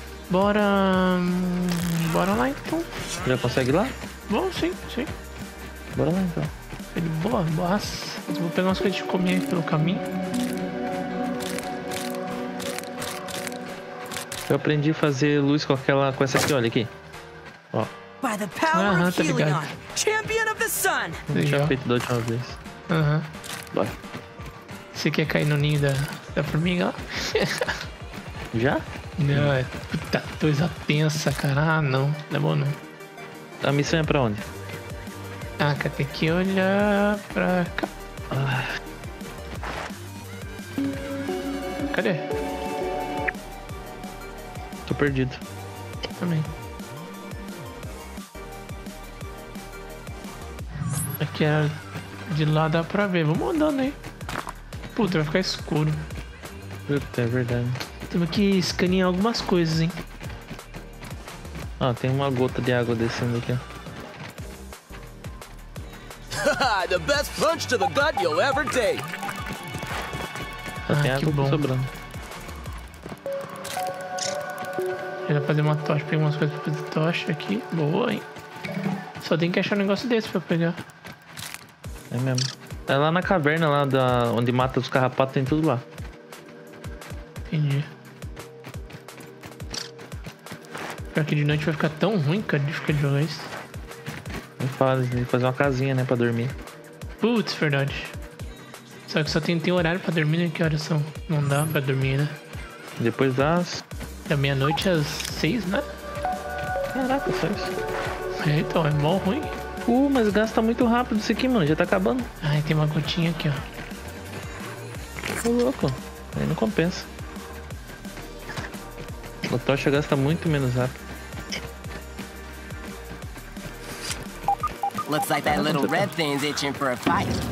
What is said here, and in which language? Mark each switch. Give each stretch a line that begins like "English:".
Portuguese: Bora... Bora lá, então. Já consegue ir lá? Bom, sim. Bora lá, então. Ele boa. Vou pegar umas coisas de comer pelo caminho. Eu aprendi a fazer luz com aquela, com essa aqui, olha aqui. Ó.
English: By the power of tá Helion, champion of the sun.
Portuguese: Deixa eu feito da última vez. Aham. Bora. Você quer cair no ninho da formiga, ó? Já? Não, é. Puta coisa tensa, cara. Ah, não. Não é bom, não. A missão é pra onde? Ah, cara, tem que olhar pra cá. Cadê? Tô perdido. Também. Aqui era de lá, dá pra ver. Vamos andando aí. Puta, vai ficar escuro. Puta, é verdade. Temos que escanear algumas coisas, hein? Ah, tem uma gota de água descendo aqui, ó.
English: The best punch to the gut you'll ever take.
Portuguese: Ah, que bom. Sobrando. Eu vou fazer uma tocha, pegar umas coisas pra fazer tocha aqui. Boa, hein? Só tem que achar um negócio desse pra pegar. É mesmo. É lá na caverna, lá da onde mata os carrapatos, tem tudo lá. Entendi. Pior que de noite vai ficar tão ruim, cara, de ficar de luz. Não faz, tem que fazer uma casinha, né, pra dormir. Putz, verdade. Só que só tem horário pra dormir, né? Que horas são? Não dá pra dormir, né? Depois das... Da meia-noite às 6, né? Caraca, só isso. É, então, é mó ruim. Mas gasta muito rápido isso aqui, mano. Já tá acabando. Ai, tem uma gotinha aqui, ó. Tô louco. Aí não compensa. A tocha gasta muito menos rápido.
English: Looks like that little red thing's itching for a fight.